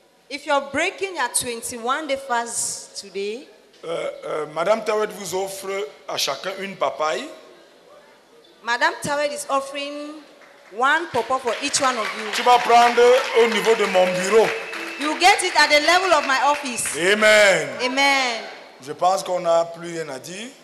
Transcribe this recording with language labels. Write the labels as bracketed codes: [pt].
[en] if you're breaking at 21 day fast today, [fr] Madame Tawet vous offre à chacun une papaye. [en] Madame Tawet is offering one pawpaw for each one of you. [fr] Tu vas prendre au niveau de mon bureau. [en] You get it at the level of my office. Amen. Amen. [fr] Je pense qu'on n'a plus rien à dire.